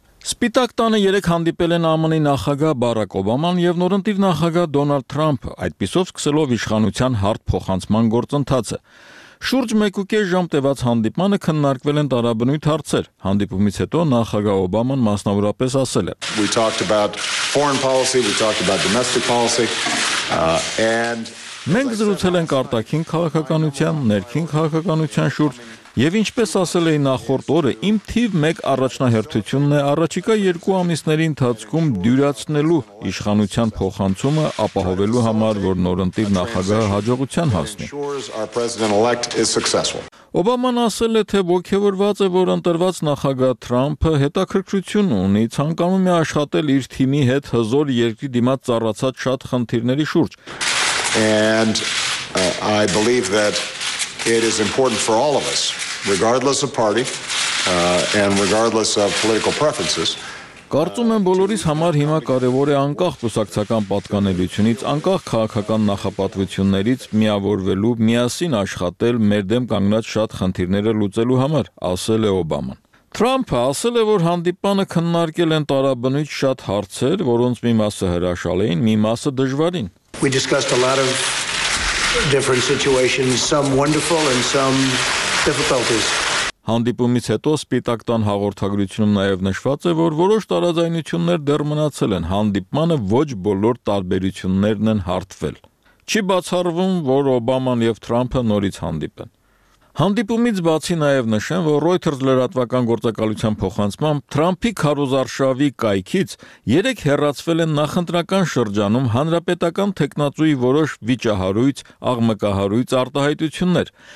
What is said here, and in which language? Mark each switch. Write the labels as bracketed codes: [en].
[hy] Սպիտակ տանը երեք հանդիպել են ԱՄՆ-ի նախագահ Բարակ Օբաման և նորընտիր նախագահ Դոնալդ Թրամփը, այդպիսով սկսելով իշխանության հարթ փոխանցման գործընթացը։ Շուրջ 1.5 ժամ տևած հանդիպմանը քննարկվել են տարաբնույթ հարցեր։ Հանդիպումից հետո նախագահ Օբաման մասնավորապես ասել է. [en] We talked about foreign policy, we talked about domestic policy, and [hy] մենք զրուցել ենք արտաքին քաղաքականության, ներքին քաղաքականության շուրջ, և ինչպես ասել էի նախորդ օրը, իմ թիվ մեկ առաջնահերթությունն է առաջիկա 2 ամիսների ընթացքում դյուրացնելու իշխանության փոխանցումը, ապահովելու համար, որ նորընտիր նախագահը հաջողության հասնի։ Օբաման ասել է, թե ոգևորված է, որ ընտրված նախագահ Թրամփը հետաքրքրություն ունի, ցանկանում է աշխատել իր թիմի հետ հզոր երկրի դիմաց ծառացած շատ խնդիրների շուրջ։ [en] I believe that it is important for all of us, regardless of party, and regardless of political preferences. [hy] Կարծում եմ, բոլորիս համար հիմա կարևոր է անկախ կուսակցական պատկանելությունից, անկախ քաղաքական նախապատվություններից միավորվելու, միասին աշխատել մեր դեմ կանգնած շատ խնդիրները լուծելու համար, ասել է Օբաման։ Թրամփը ասել է, որ հանդիպանը քննարկել են տարաբնույթ շատ հարցեր, որոնց մի մասը հրաշալ էին, մի մասը դժվարին։ [en] We discussed a lot of different situations, some wonderful and some difficulties. [hy] Հանդիպումից հետո Սպիտակ տան հաղորդագրությունում նաև նշված է, որ որոշ տարաձայնություններ դեռ մնացել են, հանդիպմանը ոչ բոլոր տարբերություններն են հարթվել։ Չի բացառվում, որ Օբաման և Թրամփը նորից հանդիպեն։ Հանդիպումից բացի նաև նշեմ, որ Reuters լրատվական գործակալության փոխանցմամբ Թրամփի քարոզարշավի կայքից 3 հեռացվել են նախընտրական շրջանում հանրապետական թեկնածուի որոշ վիճահարույց, աղմկահարույց արտահայտություններ։